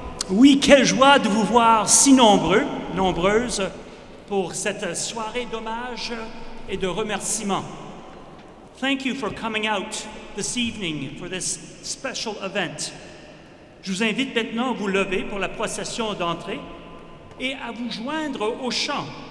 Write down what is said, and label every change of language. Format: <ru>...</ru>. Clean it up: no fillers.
<fr>Oui, quelle joie de vous voir si nombreux, nombreuses, pour cette soirée d'hommage et de remerciement.</fr> <en>Thank you for coming out this evening for this special event.</en> <fr>Je vous invite maintenant à vous lever pour la procession d'entrée et à vous joindre au chant.</fr>